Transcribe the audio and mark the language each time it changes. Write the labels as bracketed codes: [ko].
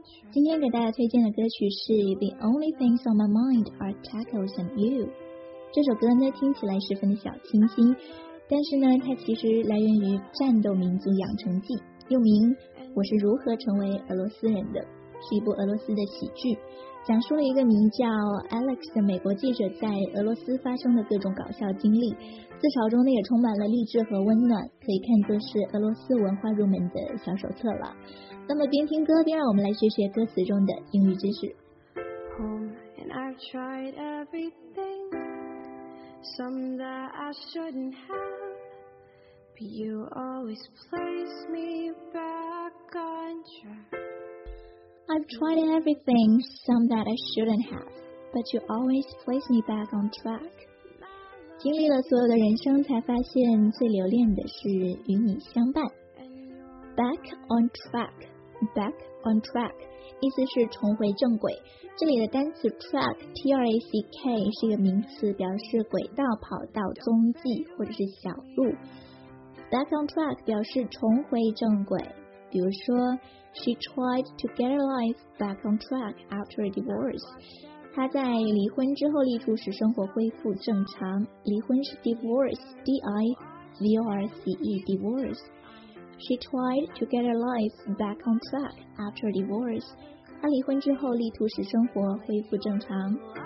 [zh] 今天给大家推荐的歌曲是 The Only Things on My Mind Are Tacos and You。这首歌呢听起来十分的小清新，但是呢它其实来源于战斗民族养成记，又名我是如何成为俄罗斯人的，是一部俄罗斯的喜剧，讲述了一个名叫 Alex 的美国记者在俄罗斯发生的各种搞笑经历，自嘲中呢也充满了励志和温暖，可以看作是俄罗斯文化入门的小手册了。那么边听歌边让我们来学学歌词中的英语知识。 [en] Home and I've tried everything, some that I shouldn't have, but you always place me back on track. I've tried everything, some that I shouldn't have, but you always place me back on track. [zh] 经历了所有的人生才发现最留恋的是与你相伴。 Back on trackBack on track 意思是重回正轨，这里的单词 track T-R-A-C-K 是一个名词，表示轨道、跑道、踪迹或者是小路。 Back on track 表示重回正轨，比如说 [en] She tried to get her life back on track after a divorce， [zh] 她在离婚之后力图使生活恢复正常。离婚是 divorce D-I-V-O-R-C-E divorce。 [en] She tried to get her life back on track after divorce. [zh] 她离婚之后力图使生活恢复正常。